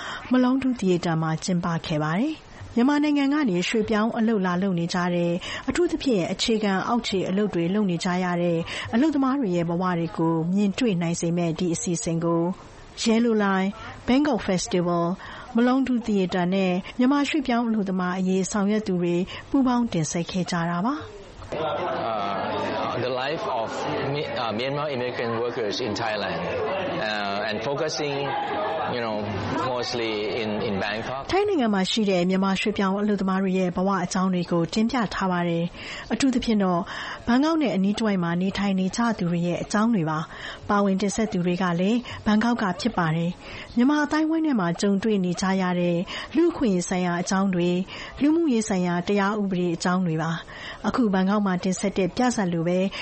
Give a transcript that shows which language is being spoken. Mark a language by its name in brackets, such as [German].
[Burmese] မလုံးထူသီယေတာမှာကျင်းပခဲ့ပါတယ်မြန်မာနိုင်ငံကနေရွှေပြောင်းအလုပ်လာလုပ်နေကြတဲ့အထူးသဖြင့်အခြေခံအောက်ခြေအလုပ်တွေလုပ်နေကြရတဲ့အလုပ်သမားတွေရဲ့ဘဝတွေကိုမြင်တွေ့နိုင်စေမဲ့ဒီအစီအစဉ်ကို Yellow Line Bangkok Festival မလုံးထူသီယေတာနဲ့မြန်မာရွှေပြောင်းအလုပ်သမားအရေးဆောင်ရွက်သူတွေပူးပေါင်းတင်ဆက်ခဲ့ကြတာပါ [English] The life of Myanmar immigrant workers in Thailand and focusing you know mostly in Bangkok [Burmese] ထိုင်းနိုင်ငံမှာရှိတဲ့မြန်မာရွှေပြောင်းအလုပ်သမားတွေရဲ့ဘဝအကြောင်းတွေကိုတင်ပြထားပါတယ်အထူးသဖြင့်တော့ဘန်ကောက်နဲ့အနီးတစ်ဝိုက်မှာနေထိုင်နေကြသူတွေရဲ့အကြောင်းတွေပါပါဝင်တင်ဆက်သူတွေကလည်းဘန်ကောက်ကဖြစ်ပါတယ်မြန်မာအတိုင်းဝိုင်းထဲမှာကြုံတွေ့နေကြရတဲ့လူခွင့်ဆိုင်ရာအကြောင်းတွေလူမှုရေးဆိုင်ရာတရားဥပဒေအကြောင်းတွေပါအခုဘန်ကောက်မှာတင်ဆက်တဲ့ပြဆက်လူပဲ